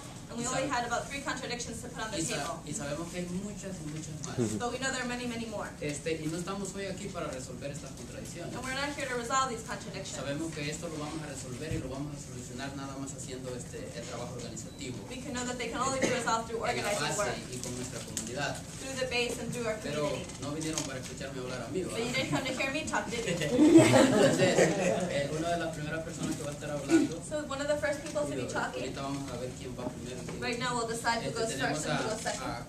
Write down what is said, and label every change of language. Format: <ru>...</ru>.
<en>And we only had about 3 contradictions to put on the table. But we know there are many, many more.</en> <es>Y no estamos hoy aquí para resolver estas contradicciones.</es> <en>And we're not here to resolve these contradictions.</en> <es>Sabemos que esto lo vamos a resolver y lo vamos a solucionar nada más haciendo este el trabajo organizativo.</es> <en>We can know that they can only be resolved through organizing work.</en> <es>Y con nuestra comunidad.</es> <en>Through the base and through our</en> <es>Pero</es> <en>community.</en> <es>Pero no vinieron para escucharme hablar a mí, ¿verdad?</es> <en>But you didn't come to hear me talk, did you?</en> <es>Entonces, una de las primeras personas que va a estar hablando.</es> <en>So one of the first people to be talking.</en> <es>Ahorita vamos a ver quién va primero.</es> <en>Right now we'll decide who goes first and who goes second.</en>